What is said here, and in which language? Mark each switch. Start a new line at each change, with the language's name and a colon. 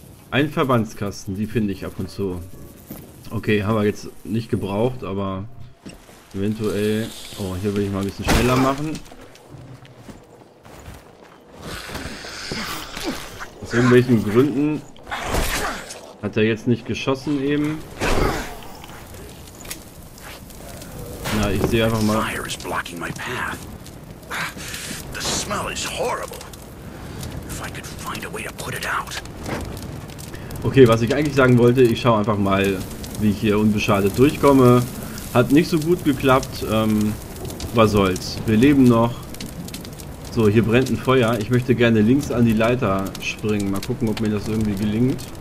German: Ein Verbandskasten, die finde ich ab und zu. Okay, haben wir jetzt nicht gebraucht, aber eventuell. Oh, hier will ich mal ein bisschen schneller machen. Aus irgendwelchen Gründen hat er jetzt nicht geschossen eben. Na, ich sehe einfach mal.
English: Fire is blocking my path. The smell is horrible. If I could find a way to put it out.
German: Okay, was ich eigentlich sagen wollte, ich schaue einfach mal, wie ich hier unbeschadet durchkomme. Hat nicht so gut geklappt, was soll's. Wir leben noch. So, hier brennt ein Feuer. Ich möchte gerne links an die Leiter springen. Mal gucken, ob mir das irgendwie gelingt.